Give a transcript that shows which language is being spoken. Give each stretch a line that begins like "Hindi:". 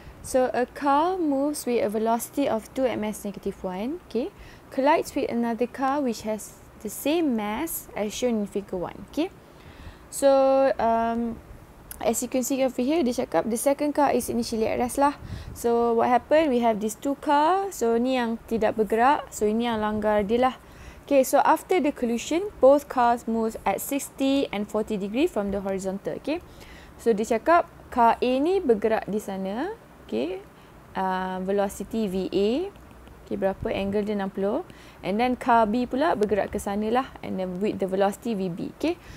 English: So a car moves with a velocity of 2 mass - 1, okay? Collides with another car which has the same mass as shown in figure 1, okay? So, as you can see over here,
Malay: dia cakap
English: the second car is initially at rest lah. So what happened, we have these 2 car.
Malay: So ni yang tidak bergerak, so ini yang langgar dia lah.
English: Okay, so after the collision, both cars move at 60 and 40 degree from the horizontal, okay?
Malay: So, dia cakap, car A ni bergerak di sana, okay? Velocity VA, okay, berapa? Angle dia 60.
English: And then, car B
Malay: pula bergerak ke sana lah,
English: and then with the velocity VB, okay?